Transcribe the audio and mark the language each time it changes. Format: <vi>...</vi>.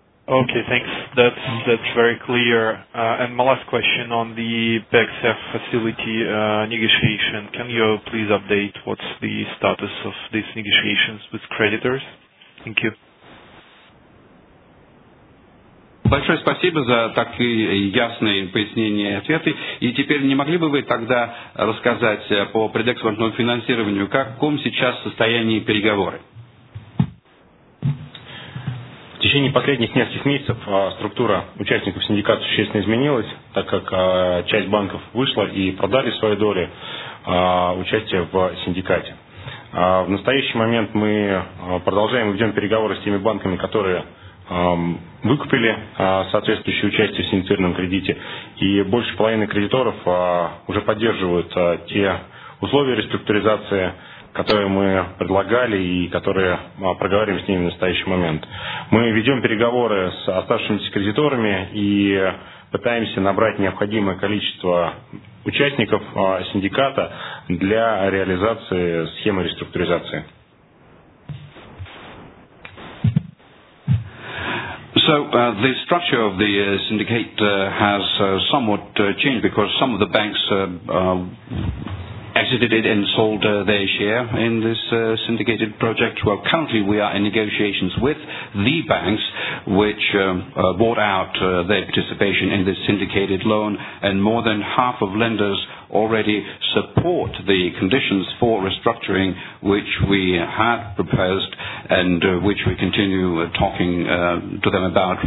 <en>Okay, thanks. That's very clear. And my last question on the PEGSF facility negotiation. Can you please update what's the status of these negotiations with creditors? Thank you.</en> <ru>Большое спасибо за так ясные пояснения и ответы. И теперь не могли бы вы тогда рассказать по предэкспортному финансированию, каком сейчас состоянии переговоры? В течение последних нескольких месяцев структура участников синдиката существенно изменилась, так как часть банков вышла и продали свои доли участия в синдикате. В настоящий момент мы продолжаем и ведем переговоры с теми банками, которые выкупили соответствующее участие в синдицированном кредите, и больше половины кредиторов уже поддерживают те условия реструктуризации, которые мы предлагали и которые проговариваем с ними в настоящий момент. Мы ведем переговоры с оставшимися кредиторами и пытаемся набрать необходимое количество участников синдиката для реализации схемы реструктуризации.</ru> <en>So the structure of the syndicate has somewhat changed, because some of the banks exited it and sold their share in this syndicated project. Well, currently we are in negotiations with the banks which bought out their participation in this syndicated loan, and more than half of lenders already support the conditions for restructuring which we had proposed, and which we continue talking to them about.</en>